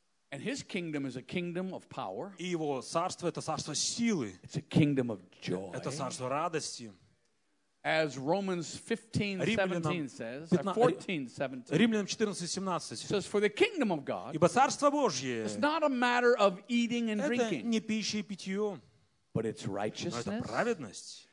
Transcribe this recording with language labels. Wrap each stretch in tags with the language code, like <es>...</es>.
<en>And his kingdom is a kingdom of power.</en> <ru>И его царство это царство силы.</ru> <en>It's a kingdom of joy.</en> <ru>Это царство радости.</ru> <en>As Romans 14:17 says, for the kingdom of God is not a matter of eating and drinking, but it's righteousness.</en>